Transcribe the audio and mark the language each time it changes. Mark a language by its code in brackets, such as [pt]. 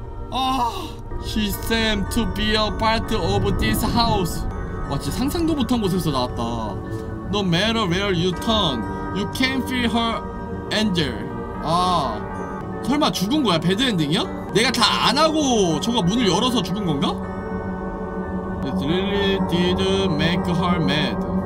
[en] 아, she seemed to be a part of this house. [ko] 와 진짜 상상도 못한 곳에서 나왔다. [en] No matter where you turn, you can feel her anger. [ko] 아, 설마 죽은 거야? 배드 엔딩이야? 내가 다 안 하고 저거 문을 열어서 죽은 건가? [en] It really did make her mad.